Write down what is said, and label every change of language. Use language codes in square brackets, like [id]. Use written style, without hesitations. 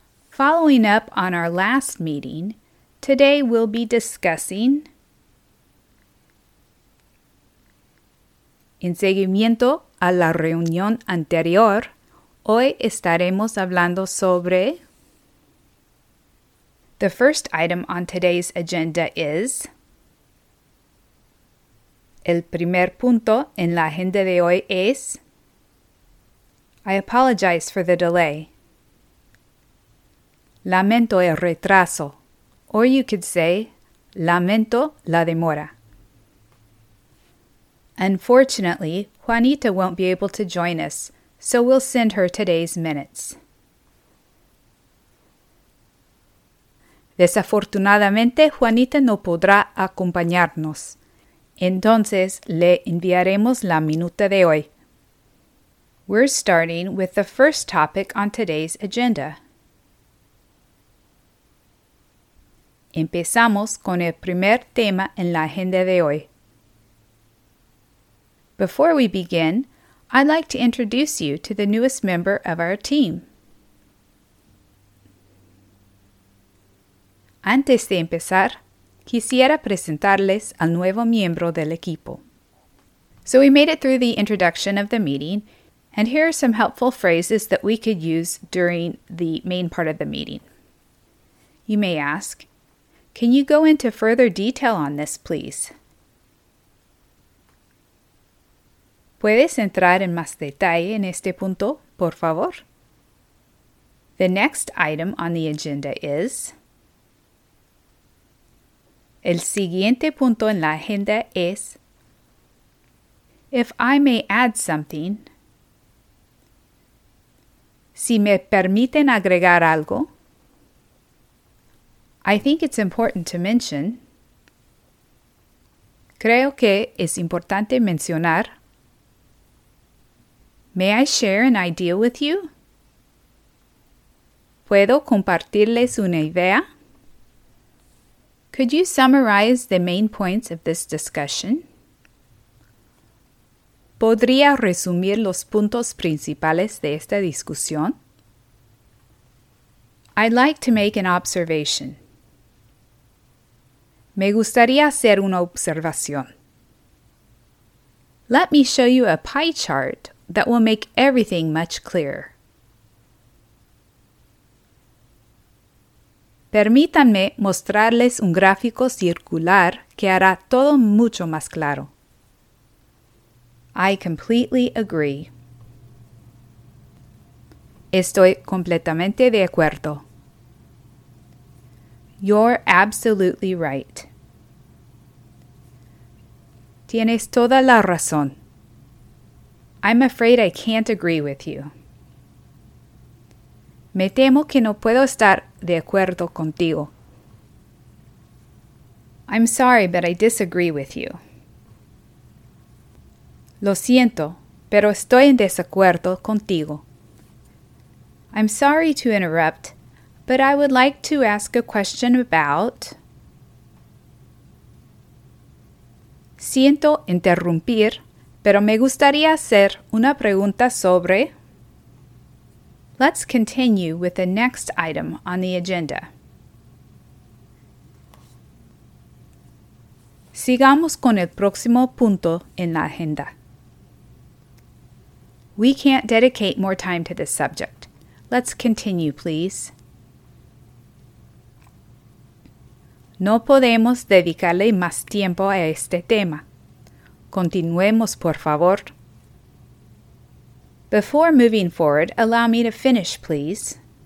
[en] Following up on our last meeting, today we'll be discussing... [es] En seguimiento a la reunión anterior, hoy estaremos hablando sobre... [en] The first item on today's agenda is... [es] El primer punto en la agenda de hoy es... [en] I apologize for the delay. [es] Lamento el retraso. [en] Or you could say, [es] lamento la demora. [en] Unfortunately, Juanita won't be able to join us, so we'll send her today's minutes. [es] Desafortunadamente, Juanita no podrá acompañarnos. Entonces, le enviaremos la minuta de hoy. [en] We're starting with the first topic on today's agenda. [es] Empezamos con el primer tema en la agenda de hoy. [en] Before we begin, I'd like to introduce you to the newest member of our team. [es] Antes de empezar, quisiera presentarles al nuevo miembro del equipo. [en] So we made it through the introduction of the meeting, and here are some helpful phrases that we could use during the main part of the meeting. You may ask, can you go into further detail on this, please? [es] ¿Puedes entrar en más detalle en este punto, por favor? [en] The next item on the agenda is... [es] El siguiente punto en la agenda es... [en] If I may add something... [es] Si me permiten agregar algo... [en] I think it's important to mention. [es] Creo que es importante mencionar. [en] May I share an idea with you? [es] ¿Puedo compartirles una idea? [en] Could you summarize the main points of this discussion? [es] ¿Podría resumir los puntos principales de esta discusión? [en] I'd like to make an observation. [es] Me gustaría hacer una observación. [en] Let me show you a pie chart that will make everything much clearer. [es] Permítanme mostrarles un gráfico circular que hará todo mucho más claro. [en] I completely agree. [es] Estoy completamente de acuerdo. [en] You're absolutely right. [es] Tienes toda la razón. [en] I'm afraid I can't agree with you. [es] Me temo que no puedo estar de acuerdo contigo. [en] I'm sorry, but I disagree with you. [es] Lo siento, pero estoy en desacuerdo contigo. [en] I'm sorry to interrupt, but I would like to ask a question about... [es] Siento interrumpir, pero me gustaría hacer una pregunta sobre... [en] Let's continue with the next item on the agenda. [es] Sigamos con el próximo punto en la agenda. [en] We can't dedicate more time to this subject. Let's continue, please. [es] No podemos dedicarle más tiempo a este tema. Continuemos, por favor. [en] Before moving forward, allow me to finish, please.